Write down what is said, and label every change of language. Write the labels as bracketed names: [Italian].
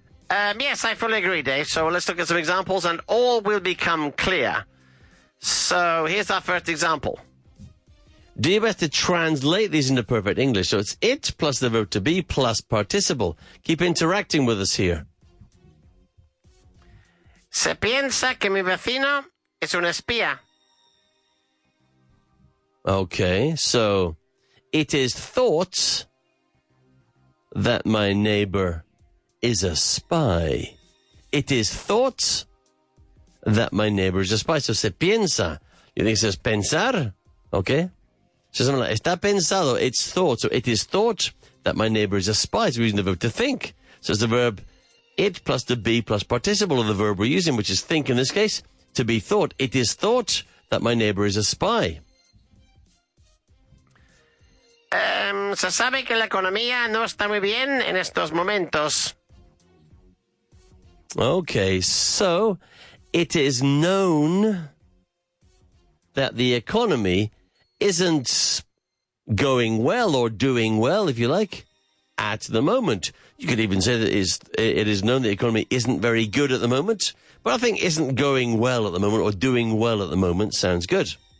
[English] Yes, I fully agree, Dave. So let's look at some examples and all will become clear. So here's our first example. Do your best to translate these into perfect English. So it's it plus the verb to be plus participle. Keep interacting with us here. [Spanish] Se piensa que mi vecino es un espía. [English] Okay, so it is thought that my neighbor is a spy. It is thought that my neighbor is a spy. So [Spanish] se piensa. [English] You think it says pensar? Okay. So something like, [Spanish] está pensado, [English] it's thought. So it is thought that my neighbor is a spy. So we're using the verb to think. So it's the verb it plus the be plus participle of the verb we're using, which is think in this case, to be thought. It is thought that my neighbor is a spy. [Spanish] Se sabe que la economía no está muy bien en estos momentos. [English] Okay, so it is known that the economy isn't going well or doing well, if you like, at the moment. You could even say that it is known the economy isn't very good at the moment, but I think isn't going well at the moment or doing well at the moment sounds good.